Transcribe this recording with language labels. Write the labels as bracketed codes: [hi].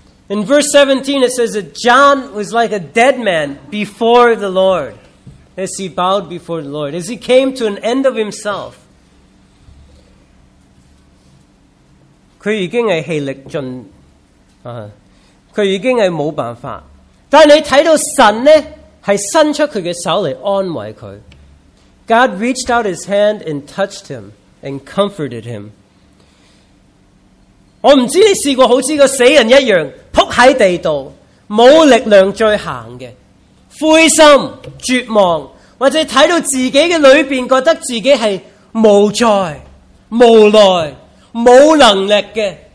[en] In verse 17, it says that John was like a dead man before the Lord, as he bowed before the Lord, as he came to an end of himself. [zh] 他已经是气力尽，他已经是没有办法。但你看到神呢，是伸出他的手来安慰他。 [en] God reached out his hand and touched him and comforted him. [zh] 我不知道你试过好像死人一样扑在地上，没有力量再行的，灰心绝望，或者看到自己的里面觉得自己是无在无奈没有能力的。